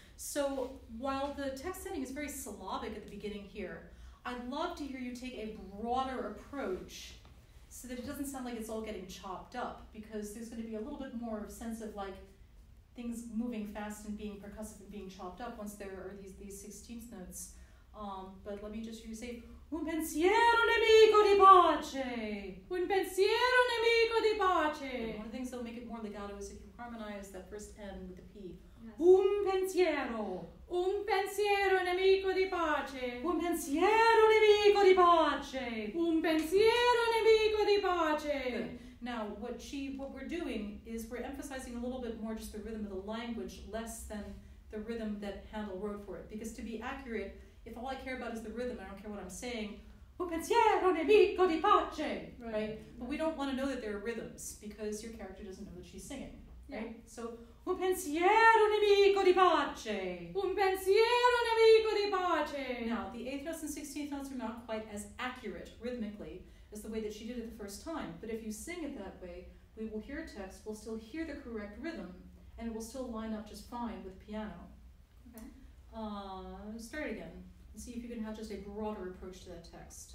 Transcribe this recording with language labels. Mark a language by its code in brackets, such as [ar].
[en] So while the text setting is very syllabic at the beginning here, I'd love to hear you take a broader approach, so that it doesn't sound like it's all getting chopped up, because there's going to be a little bit more of a sense of, like, things moving fast and being percussive and being chopped up once there are these 16th notes. But let me just hear you say, [it] un pensiero nemico di pace! Un pensiero nemico di pace! [en] And one of the things that will make it more legato is if you harmonize that first N with the P. Yes. [it] Un pensiero nemico di pace! Un pensiero nemico di pace! Un pensiero nemico di pace! [en] Now, what we're doing is we're emphasizing a little bit more just the rhythm of the language, less than the rhythm that Handel wrote for it. Because to be accurate, if all I care about is the rhythm, I don't care what I'm saying, [it] un pensiero nemico di pace, [en] right? But we don't want to know that there are rhythms because your character doesn't know that she's singing, right? Yeah. [it] So, un pensiero nemico di pace. Un pensiero nemico di pace. [en] Now, the 8th notes and 16th notes are not quite as accurate rhythmically as the way that she did it the first time. But if you sing it that way, we will hear a text, we'll still hear the correct rhythm, and it will still line up just fine with the piano. Okay. Start again. And see if you can have just a broader approach to that text.